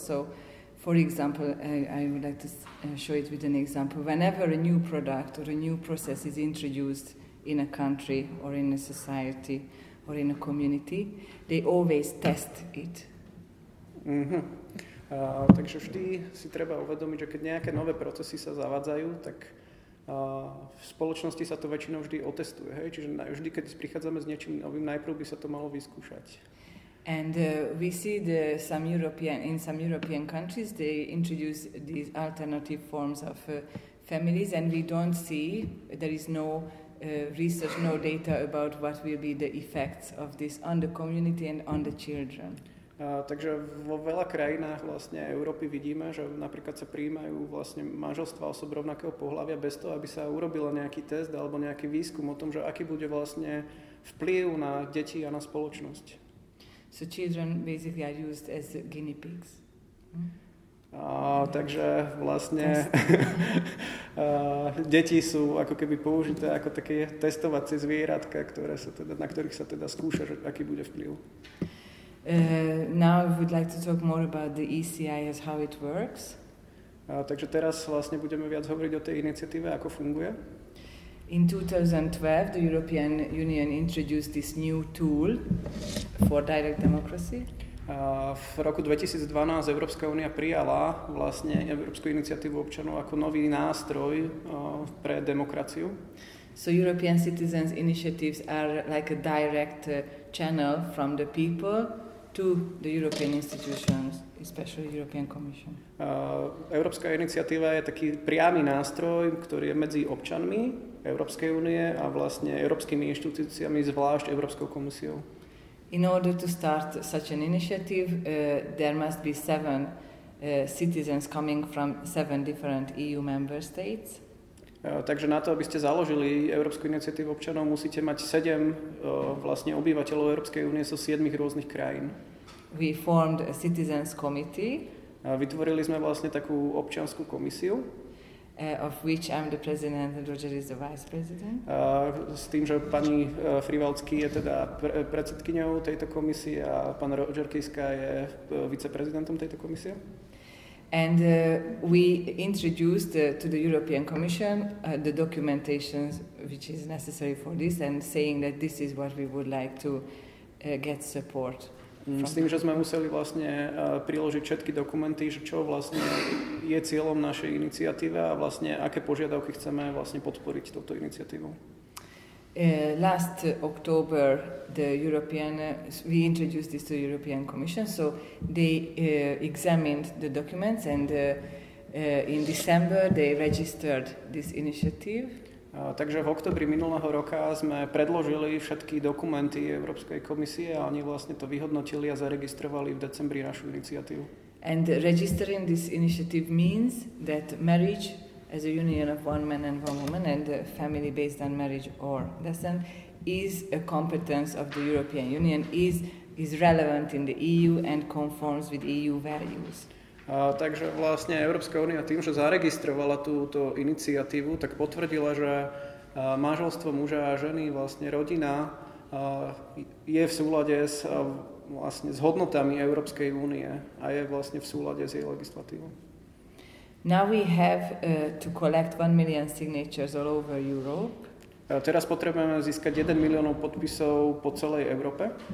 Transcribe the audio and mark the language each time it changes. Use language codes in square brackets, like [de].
[en] So, for example, I would like to show it with an example. Whenever a new product or a new process is introduced in a country or in a society or in a community, they always test it. Mm-hmm. [sk] Takže vždy si treba uvedomiť, že keď nejaké nové procesy sa zavádzajú, tak v spoločnosti sa to väčšinou vždy otestuje, hej? Čiže vždy, keď prichádzame s niečím novým, najprv by sa to malo vyskúšať. [en] And we see the some European countries they introduce these alternative forms of families and we don't see, there is no research, no data about what will be the effects of this on the community and on the children. [sk] Takže vo veľa krajinách vlastne Európy vidíme, že napríklad sa prijímajú vlastne manželstva osob rovnakého pohlavia bez toho, aby sa urobilo nejaký test alebo nejaký výskum o tom, že aký bude vlastne vplyv na deti a na spoločnosť. [en] So children basically are used as guinea pigs. [sk] Takže vlastne deti sú ako keby použité ako také testovacie zvieratka, ktoré sa teda, na ktorých sa teda skúša, že aký bude vplyv. [en] Now I would like to talk more about the ECIS, how it works. [sk] Takže teraz vlastne budeme viac hovoriť o tej iniciatíve, ako funguje. [en] In 2012, the European Union introduced this new tool for direct democracy. [sk] V roku 2012 Európska únia prijala vlastne Európsku iniciatívu občanov ako nový nástroj pre demokraciu. [en] So European citizens' initiatives are like a direct channel from the people to the European institutions, especially European Commission. [sk] Európska iniciatíva je taký priamy nástroj, ktorý je medzi občanmi Európskej únie a vlastne európskymi inštitúciami, zvlášť Európskou komisiou. [en] In order to start such an initiative, there must be 7 citizens coming from 7 different EU member states. [sk] Takže na to, aby ste založili Európsku iniciatívu občanov, musíte mať 7 vlastne obyvateľov Európskej únie zo 7 rôznych krajín. [en] We formed a citizens committee. [sk] Vytvorili sme vlastne takú občiansku komisiu. [en] Of which I'm the president and Roger is the vice president. [sk] S tým, že pani Frivalský je teda predsedkyňou tejto komisie a pán Roger Kiska je viceprezidentom tejto komisie. [en] And we introduced to the European Commission the documentation which is necessary for this and saying that this is what we would like to get support. [sk] S tým, že sme museli vlastne priložiť všetky dokumenty, že čo vlastne je cieľom našej iniciatívy a vlastne aké požiadavky chceme vlastne podporiť touto iniciatívou. [en] Last October the European we introduced this to the European Commission, so they examined the documents and in December they registered this initiative. [sk] Takže v októbri minulého roka sme predložili všetky dokumenty Európskej komisie a oni vlastne to vyhodnotili a zaregistrovali v decembri našu iniciatívu. [en] And registering this initiative means that marriage as a union of one man and one woman and a family based on marriage or descent is a competence of the European Union, is relevant in the EU and conforms with EU values. [sk] Takže vlastne Európska únia tým, že zaregistrovala túto iniciatívu, tak potvrdila, že manželstvo muža a ženy, vlastne rodina, je v súlade s, vlastne, s hodnotami Európskej únie a je vlastne v súlade s jej legislatívou. [en] Now we have to collect 1 million signatures all over Europe. [sk] Teraz potrebujeme získať 1 milión podpisov po celej Európe.